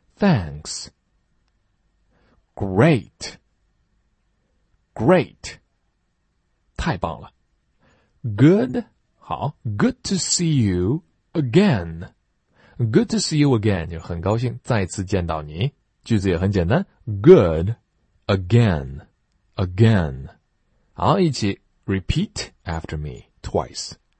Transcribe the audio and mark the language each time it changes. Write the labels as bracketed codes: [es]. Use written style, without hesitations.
[en] thanks。 Great, great, [zh] 太棒了。 [en] Good, [zh] 好。 [en] Good to see you again, good to see you again, [zh] 就很高兴再次见到你。句子也很简单， good, again, again. 好，一起 [en] repeat after me twice.